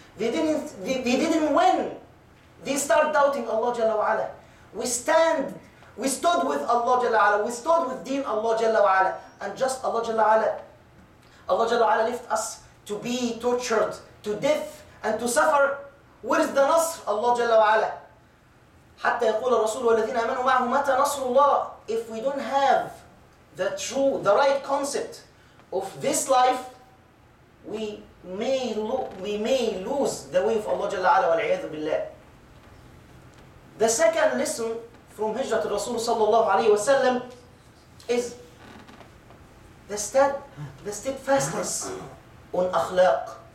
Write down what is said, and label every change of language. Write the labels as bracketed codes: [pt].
[en] They didn't win. They start doubting Allah Jalla wa Ala. We stood with Allah Jalla wa Ala. We stood with Deen Allah Jalla wa Ala. And just Allah Jalla wa Ala left us to be tortured, to death, and to suffer. Where is the Nasr? Allah Jalla wa Ala. [ar] حتى يقول الرسول والذين آمنوا معه متى نصر الله. [en] If we don't have the true, the right concept of this life, we may lose the way of Allah Jalla wa Ala [ar] والعياذ بالله. [en] The second lesson from Hijrat al-Rasul sallallahu alayhi wa sallam is the steadfastness on akhlaq.